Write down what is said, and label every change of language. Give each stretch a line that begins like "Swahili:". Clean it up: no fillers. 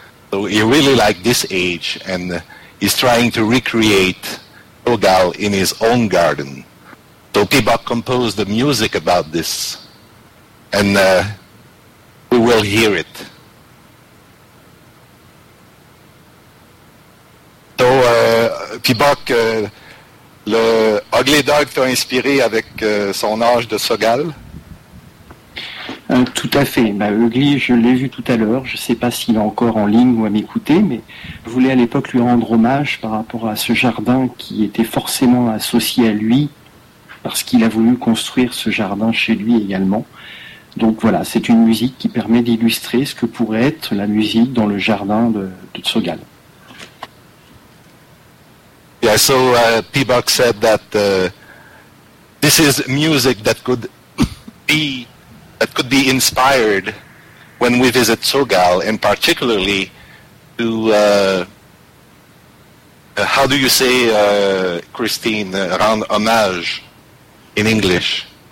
English: So he really liked this age and is trying to recreate Sogal in his own garden. So Pibok composed the music about this, and we will hear it.
French: So Pibok, le Ugly Dog t'a inspiré avec son âge de Sogal? Tout à fait. Bah, Ugly, je l'ai vu tout à l'heure. Je ne sais pas s'il est encore en ligne ou à m'écouter, mais je voulais à l'époque lui rendre hommage par rapport à ce jardin qui était forcément associé à lui, parce qu'il a voulu construire ce jardin chez lui également. Donc voilà, c'est une musique qui permet d'illustrer ce que pourrait être la musique dans le jardin de Sogal.
English: Yeah, so Pibok said that this is music that could be inspired when we visit Sogal, and particularly to how do you say, Christine,
French: rend hommage
English: in English?